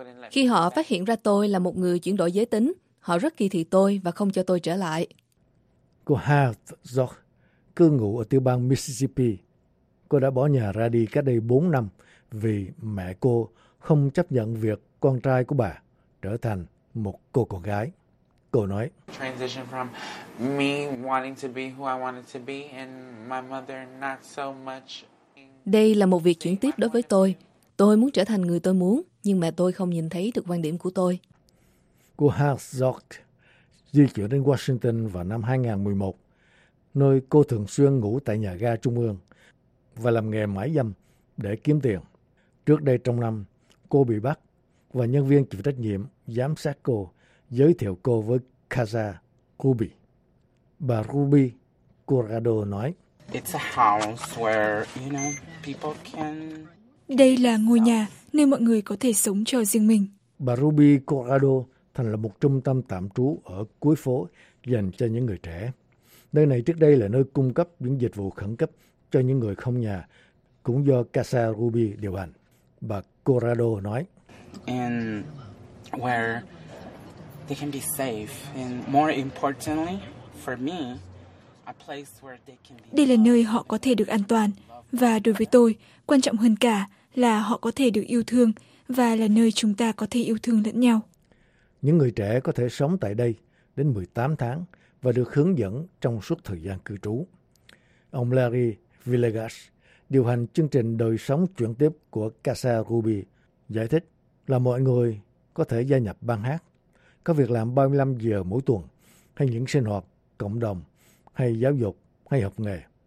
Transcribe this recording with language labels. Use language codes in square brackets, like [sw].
[vi] Khi họ phát hiện ra tôi là một người chuyển đổi giới tính, họ rất kỳ thị tôi và không cho tôi trở lại. Cô Hartzog cư ngụ ở tiểu bang Mississippi. Cô đã bỏ nhà ra đi cách đây 4 năm vì mẹ cô không chấp nhận việc con trai của bà trở thành một cô con gái. Cô nói: [en] Transition from me wanting to be who I wanted to be and my mother not so much. [vi] Đây là một việc chuyển tiếp đối với tôi. Tôi muốn trở thành người tôi muốn, nhưng mẹ tôi không nhìn thấy được quan điểm của tôi. Cô Hartzog di chuyển đến Washington vào năm 2011, nơi cô thường xuyên ngủ tại nhà ga trung ương và làm nghề mãi dâm để kiếm tiền. Trước đây trong năm, cô bị bắt và nhân viên chịu trách nhiệm giám sát cô giới thiệu cô với Casa Ruby. Bà Ruby Corrado nói: [en] It's a house where, you know, people can... [vi] Đây là ngôi nhà nơi mọi người có thể sống cho riêng mình. Bà Ruby Corrado thành lập một trung tâm tạm trú ở cuối phố dành cho những người trẻ. Nơi này trước đây là nơi cung cấp những dịch vụ khẩn cấp cho những người không nhà, cũng do Casa Ruby điều hành. Bà Corrado nói: [en] And where they can be safe, and more importantly for me, a place where they can be. [vi] Đây là nơi họ có thể được an toàn. Và đối với tôi, quan trọng hơn cả là họ có thể được yêu thương và là nơi chúng ta có thể yêu thương lẫn nhau. Những người trẻ có thể sống tại đây đến 18 tháng và được hướng dẫn trong suốt thời gian cư trú. Ông Larry Villegas, điều hành chương trình đời sống chuyển tiếp của Casa Ruby, giải thích là mọi người có thể gia nhập ban hát, có việc làm 35 giờ mỗi tuần, hay những sinh hoạt, cộng đồng, hay giáo dục, hay học nghề.